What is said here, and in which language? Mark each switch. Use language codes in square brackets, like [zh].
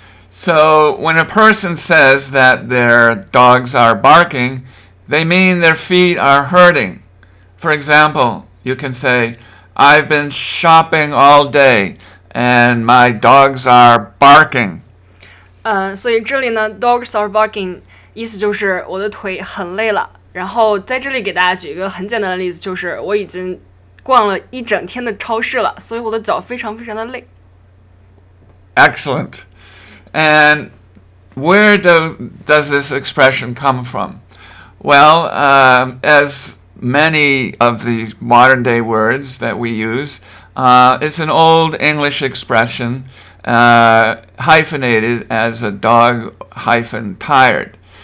[en] So when a person says that their dogs are barking, they mean their feet are hurting. For example, you can say, I've been shopping all day, and my dogs are barking. [zh] 所以这里呢, [en] dogs are barking, [zh] 意思就是我的腿很累了。然后在这里给大家举一个很简单的例子，就是我已经逛了一整天的超市了, 所以我的脚非常非常的累。 [en] Excellent. And where does this expression come from? Well, as many of these modern-day words that we use, it's an old English expression, hyphenated as a dog hyphen tired.